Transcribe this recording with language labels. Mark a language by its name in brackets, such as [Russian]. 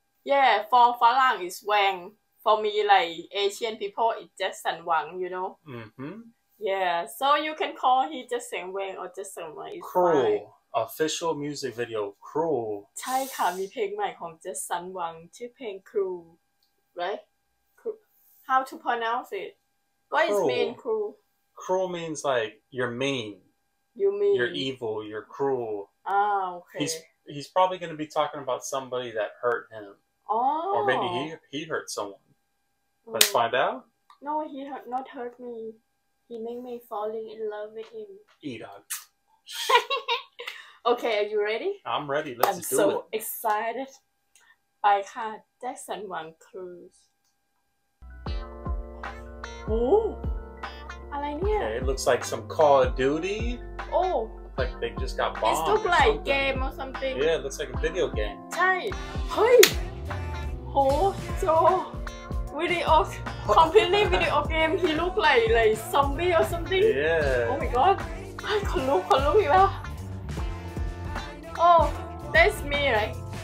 [English] Yeah, for ฝรั่ง is Wang. For me, like Asian people, it's Jacksonwang, you know? Yeah, so you can call him Jacksonwang or Jacksonwang. It's cruel. Fine. Official music video, Cruel. [Thai] ใช่ค่ะมีเพลงใหม่ของ Jacksonwang ชื่อเพลง Cruel. [English] Right? How to pronounce it? What is mean cruel? Cruel means like you're mean. You mean? You're evil, you're cruel. Ah, okay. He's probably going to be talking about somebody that hurt him. Oh. Or maybe he hurt someone. Let's find out. No, he not hurt me. He made me falling in love with him. E-dog. Okay, are you ready? I'm ready. Let's I'm do so it. I'm so excited. By ค่ะ Jacksonwang Cruise. [Thai] Ooh. อะไรเนี่ย? [English] Okay, it looks like some Call of Duty. Oh. Like they just got bombed. It looks like game or something. Yeah, it looks like a video game. [Thai] ใช่ เฮ้ย โห จอ video completely video game. [English] He look like zombie or something. Yeah. Oh my god. [Thai] ขนลุกขนลุกอีกแล้ว Oh, that's me, right?